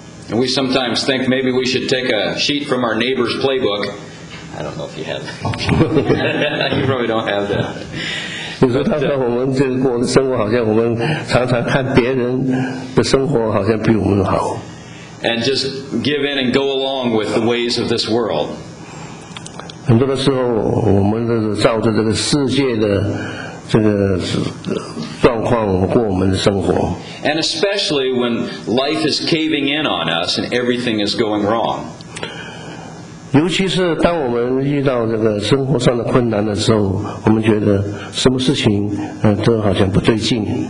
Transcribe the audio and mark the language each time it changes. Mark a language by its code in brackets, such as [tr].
[en] And we sometimes think maybe we should take a sheet from our neighbor's playbook. I don't know if you have that. You probably don't have that. You say, [zh] 他说我们这个过的生活好像我们常常看别人的生活好像比我们好。 [en] And just give in and go along with the ways of this world. [zh] 很多的时候我们照着这个世界的这个状况过我们的生活。 [en] And especially when life is caving in on us and everything is going wrong. [zh] 尤其是当我们遇到这个生活上的困难的时候，我们觉得什么事情都好像不对劲。